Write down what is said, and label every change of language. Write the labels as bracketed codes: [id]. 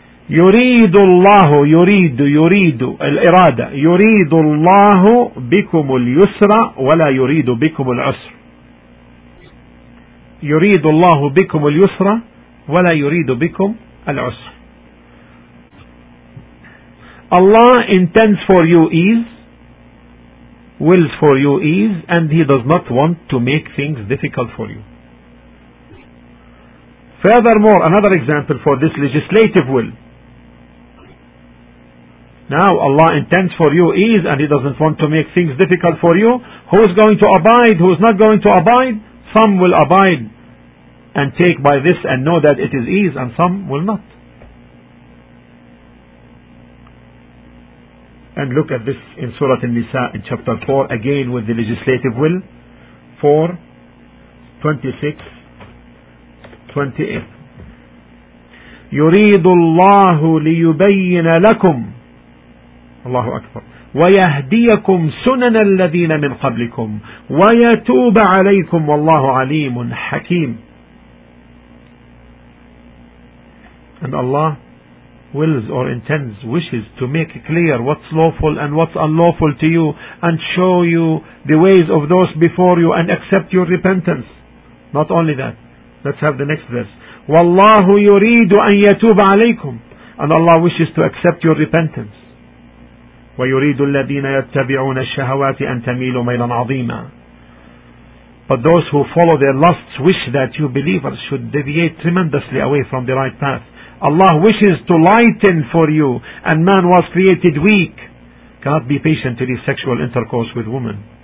[ar] يريد الله يريد الإرادة يريد الله بكم اليسر ولا يريد بكم العسر. يريد الله بكم اليسر ولا يريد بكم العسر. [en] Allah intends for you ease, wills for you ease, and He does not want to make things difficult for you. Furthermore, another example for this legislative will. Now Allah intends for you ease and He doesn't want to make things difficult for you. Who is going to abide? Who is not going to abide? Some will abide and take by this and know that it is ease, and some will not. And look at this in Surah An-Nisa in chapter 4, again with the legislative will, 4:26-28. [ar] يُرِيدُ اللَّهُ لِيُبَيِّنَ لَكُمْ, الله أكبر, ويهديكم سنن الذين من قبلكم ويتوب عليكم والله عليم حكيم. [en] And Allah wills or intends, wishes to make clear what's lawful and what's unlawful to you, and show you the ways of those before you and accept your repentance. Not only that, let's have the next verse. [ar] والله يريد أن يتوب عليكم, [en] and Allah wishes to accept your repentance. [ar] ويريد الذين يتبعون الشهوات أن تميلوا ميلا عظيما. [en] But those who follow their lusts wish that you believers should deviate tremendously away from the right path. Allah wishes to lighten for you, and man was created weak. Cannot be patient to this sexual intercourse with women.